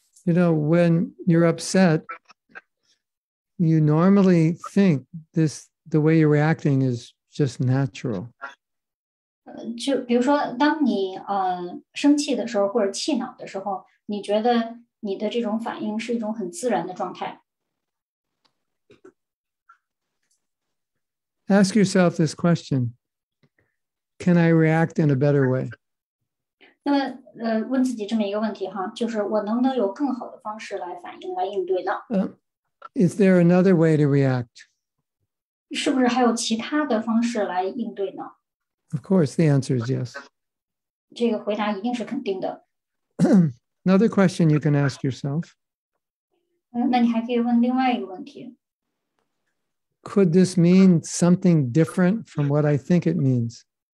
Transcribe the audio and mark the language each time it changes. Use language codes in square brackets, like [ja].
[en] You know, when you're upset, you normally think this the way you're reacting is just natural. [zh] 就比如说，当你生气的时候或者气恼的时候，你觉得你的这种反应是一种很自然的状态。 [en] Ask yourself this question. Can I react in a better way? [zh] 那么问自己这么一个问题哈，就是我能不能有更好的方式来反应，来应对呢？ [en] Is there another way to react? [zh] 是不是还有其他的方式来应对呢？ [en] Of course, the answer is yes. [zh] 这个回答一定是肯定的。 [en] Another question you can ask yourself. [zh] 那你还可以问另外一个问题。 [en] Could this mean something different from what I think it means?